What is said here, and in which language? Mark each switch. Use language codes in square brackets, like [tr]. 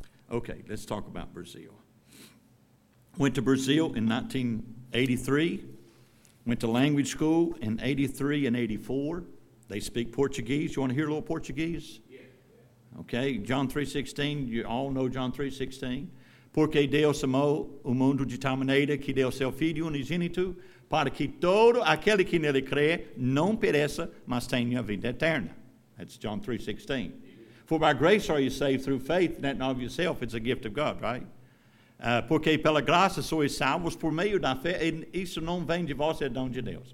[en] Okay, let's talk about Brazil. Went to Brazil in 1983. Went to language school in 83 and 84. They speak Portuguese. You want to hear a little Portuguese? Yeah. Okay, John 3:16. You all know John 3:16. [pt] Porque Deus amou o mundo de tal maneira que deu seu filho unigênito para que todo aquele que nele crê não pereça, mas tenha vida eterna. [en] That's John 3:16. For by grace are you saved through faith, not of yourself. It's a gift of God, right? [pt] Porque pela graça sois salvos por meio da fé, e isso não vem de vós, é dom de Deus.